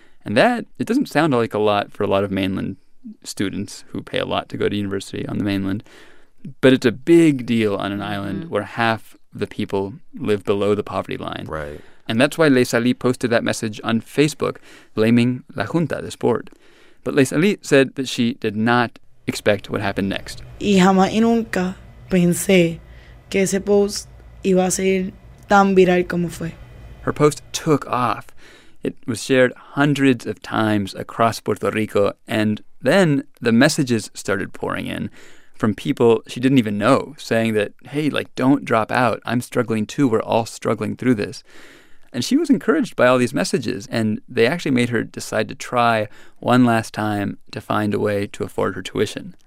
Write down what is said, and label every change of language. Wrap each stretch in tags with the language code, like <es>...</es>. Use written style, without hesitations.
<en>And that, it doesn't sound like a lot for a lot of mainland students who pay a lot to go to university on the mainland. But it's a big deal on an island where half the people live below the poverty line. Right. And that's why Les Ali posted that message on Facebook, blaming La Junta, this board. But Les Ali said that she did not expect what happened next.</en> <es>Y jamás y nunca pensé que ese post iba a ser tan viral como fue.</es> <en>Her post took off. It was shared hundreds of times across Puerto Rico, and then the messages started pouring in from people she didn't even know, saying that, hey, like, don't drop out. I'm struggling too. We're all struggling through this. And she was encouraged by all these messages, and they actually made her decide to try one last time to find a way to afford her tuition.</en>